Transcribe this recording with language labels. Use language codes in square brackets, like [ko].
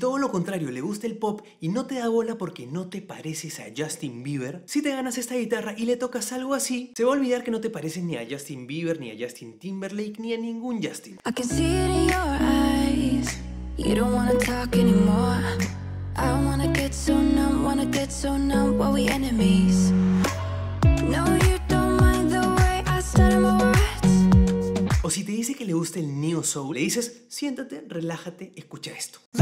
[es] Contrario, le gusta el pop y no te da bola porque no te pareces a Justin Bieber, si te ganas esta guitarra y le tocas algo así, se va a olvidar que no te pareces ni a Justin Bieber, ni a Justin Timberlake, ni a ningún Justin. [en] I can see it in your eyes. You don't wanna talk anymore. I wanna get so numb, wanna get so numb. While we enemies. No, you don't mind the way I started my words. [es] O si te dice que le gusta el neo soul, le dices, siéntate, relájate, escucha esto.